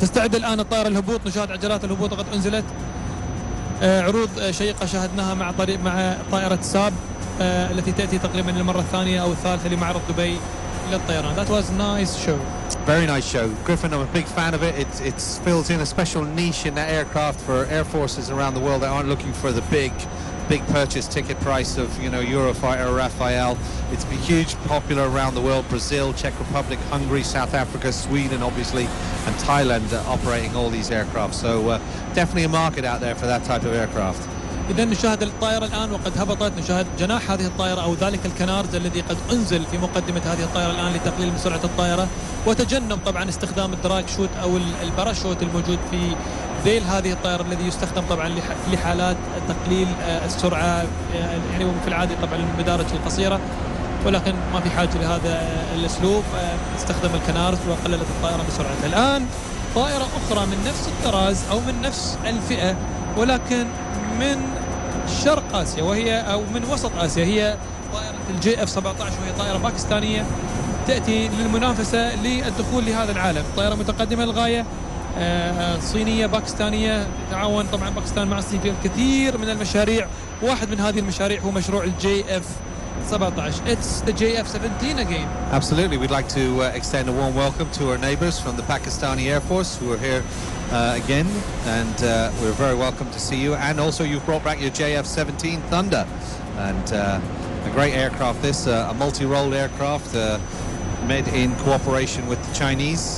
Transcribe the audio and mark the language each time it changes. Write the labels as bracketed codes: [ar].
[ar] تستعد الآن الطائرة للهبوط. نشاهد عجلات الهبوط قد أنزلت. عروض شيقة شاهدناها مع طريق مع طائرة ساب التي تأتي تقريبا للمرة الثانية أو الثالثة لمعرض دبي للطيران. [en] That was nice show. Very nice show. Griffin, I'm a big fan of it. It fills in a special niche in that aircraft for air forces around the world that aren't looking for the big purchase ticket price of, you know, Eurofighter, Rafael. It's a huge popular around the world. Brazil, Czech Republic, Hungary, South Africa, Sweden, obviously, and Thailand are operating all these aircraft. So definitely a market out there for that type of aircraft. [ar] إذن نشاهد الطائرة الآن وقد هبطت. نشاهد جناح هذه الطائرة أو ذلك الكنارد الذي قد أنزل في مقدمة هذه الطائرة الآن لتقليل من سرعة الطائرة وتجنب طبعا استخدام الدراج شوت أو الباراشوت الموجود في ذيل هذه الطائرة الذي يستخدم طبعا لحالات تقليل السرعة يعني في العادة طبعا المدارة القصيرة ولكن ما في حاجة لهذا الأسلوب. استخدم الكنارد وقللت الطائرة بسرعتها. الآن طائرة أخرى من نفس الطراز أو من نفس الفئة ولكن من شرق آسيا وهي أو من وسط آسيا هي طائرة الجي اف 17 وهي طائرة باكستانية تأتي للمنافسة للدخول لهذا العالم. طائرة متقدمة للغاية صينية باكستانية تعاون طبعا باكستان مع الصين في الكثير من المشاريع. واحد من هذه المشاريع هو مشروع الجي اف 17. [en] It's the JF-17 again. Absolutely. We'd like to extend a warm welcome to our neighbors from the Pakistani Air Force who are here again. And we're very welcome to see you. And also you've brought back your JF-17 Thunder. And a great aircraft this, a multi-role aircraft made in cooperation with the Chinese.